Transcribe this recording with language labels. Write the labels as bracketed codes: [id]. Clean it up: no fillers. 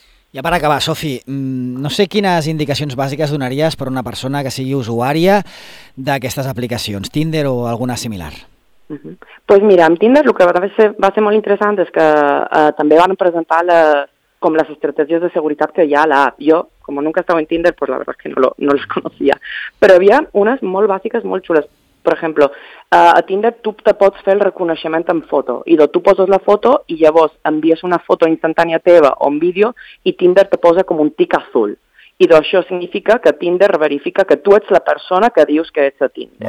[ca] Ja per acabar, Sofi, no sé quines indicacions bàsiques donaries per a una persona que sigui usuària d'aquestes aplicacions, Tinder o alguna similar. Pues mira, amb Tinder el que va ser molt interessant és que també van presentar com les estratègies de seguretat que hi ha a l'app. [es] Jo, com nunca [ca] he estat [es] en Tinder, pues la verdad es que no les conocía. [ca] Però hi havia unes molt bàsiques, molt xules. Per exemple, a Tinder tu te pots fer el reconeixement amb foto. I doncs tu poses la foto i llavors envies una foto instantània teva o un vídeo i Tinder te posa com un tic azul. I doncs això significa que Tinder verifica que tu ets la persona que dius que ets a Tinder.